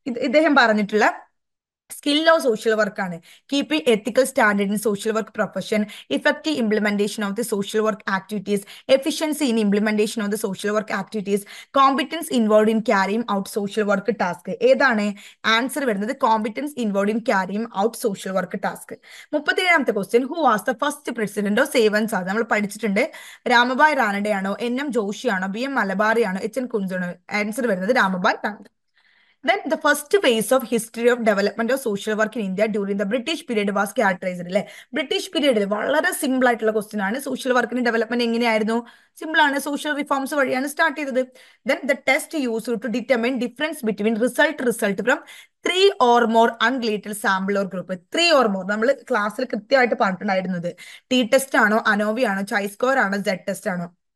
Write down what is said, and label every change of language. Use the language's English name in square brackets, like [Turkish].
[Malayalam] ഇദ്ദേഹം പറഞ്ഞിട്ടുള്ള skill of social വർക്കാണ്. [English] Keeping ethical standard in social work profession, effective implementation of the social work activities, efficiency in implementation of the social work activities, competence involve in carrying out social work task. [Malayalam] ഏതാണ് answer വരുന്നത്? [English] Competence involve in carrying out social work task. [Malayalam] 37-ാമത്തെ question, [English] Who was the first president of സേവൻസ്? [Malayalam] നമ്മൾ പഠിച്ചിട്ടുണ്ട്, രാമഭായ് റാനഡയാണോ, N M ജോഷിയാണോ, B M മലബാറിയാണോ, H N കുഞ്ചനോ? Answer വരുന്നത് രാമഭായ് Ranade. [English] Then the first phase of history of development of social work in India during the British period was characterized. [Malayalam] Like, British period, വളരെ simple ആയിട്ടുള്ള question ആണ്. Social വർക്കിന്റെ development എങ്ങനെയായിരുന്നു? Simple ആണ്, social reforms വഴിയാണ് start ചെയ്തത്. [English] Then the test use to determine difference between result from three or more unrelated sample or group. [Malayalam] Three or more നമ്മൾ ക്ലാസ്സിൽ കൃത്യമായിട്ട് പറഞ്ഞിട്ടുണ്ടായിരുന്നത്. ടി ടെസ്റ്റ് ആണോ, അനോവി ആണോ, ചൈ സ്കോർ ആണോ, സെഡ് ടെസ്റ്റ് ആണോ?